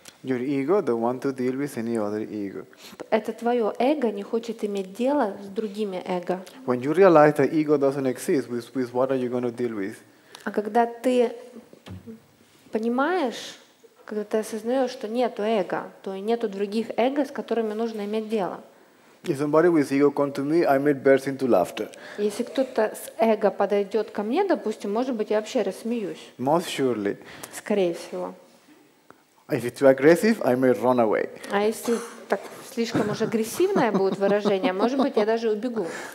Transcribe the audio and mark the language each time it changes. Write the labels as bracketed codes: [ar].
[en] Your ego don't want to deal with any other ego. [ru] Это твое эго не хочет иметь дело с другими эго. [en] When you realize that ego doesn't exist, with what are you going to deal with? [ru] А когда ты понимаешь, когда ты осознаешь, что нету эго, то и нету других эго, с которыми нужно иметь дело. [en] If somebody with ego come to me, I may burst into laughter. [ru] Если кто-то с эго подойдет ко мне, допустим, может быть, я вообще рассмеюсь. [en] Most surely. [ru] Скорее всего. [en] If it's too aggressive, I may run away. [ru] А если так слишком уж агрессивное будет выражение, может быть, я даже убегу.